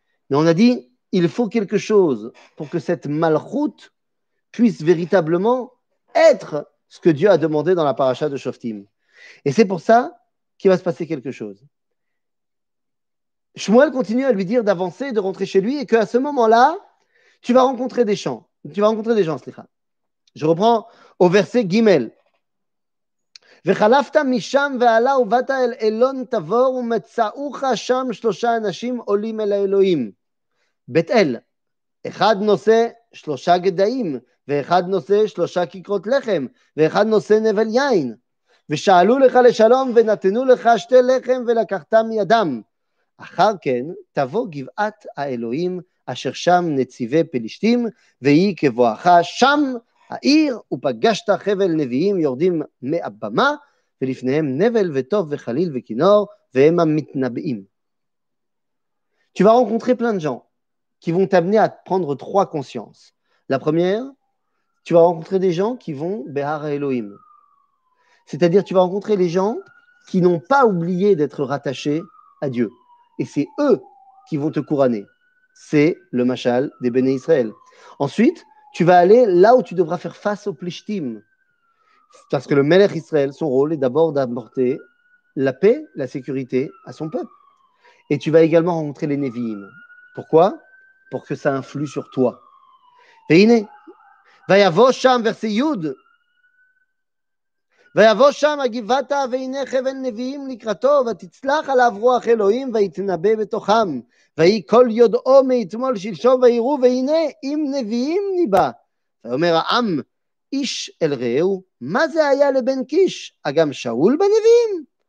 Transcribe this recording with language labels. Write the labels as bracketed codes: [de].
[fr] Mais on a dit, il faut quelque chose pour que cette malchut puisse véritablement être ce que Dieu a demandé dans la paracha de Shoftim. Et c'est pour ça qu'il va se passer quelque chose. Shmuel continue à lui dire d'avancer, de rentrer chez lui, et qu'à ce moment-là, tu vas rencontrer des gens. Tu vas rencontrer des gens, Slicha. Je reprends au verset Gimel. [he] וחלפת משם ועלה ובאת אל אלון תבור ומצאוך שם שלושה אנשים עולים אל האלוהים. בית אל, אחד נושא שלושה גדיים, ואחד נושא שלושה כיכרות לחם, ואחד נושא נבל יין. ושאלו לך לשלום ונתנו לך שתי לחם ולקחת מידם. אחר כן תבוא גבעת האלוהים אשר שם נציבי פלישתים, והיא כבואך שם. העיר ופגשת חבל נביאים יורדים מהבמה ולפניהם נבל וטוב וחליל וכינור והם המתנבאים. [fr] Tu vas rencontrer plein de gens qui vont t'amener à prendre trois consciences. La première, tu vas rencontrer des gens qui vont Behar Elohim. C'est-à-dire, tu vas rencontrer les gens qui n'ont pas oublié d'être rattachés à Dieu. Et c'est eux qui vont te couronner. C'est le Machal des Béné Israël. Ensuite, tu vas aller là où tu devras faire face aux Plishtim. Parce que le Melech Israël, son rôle est d'abord d'apporter la paix, la sécurité à son peuple. Et tu vas également rencontrer les Nevi'im. Pourquoi ? Pour que ça influe sur toi. Veine, [he] ויבוא שם, verset יוד, ויבוא שם הגבעתה, והנה חבל נביאים לקראתו, ותצלח עליו רוח אלוהים, ויתנבא בתוכם, ויהי כל יודעו מאתמול שלשום, ויראו, והנה אם נביאים ניבא, ואומר העם, איש אל רעהו, מה זה היה לבן קיש, אגם שאול בנביאים?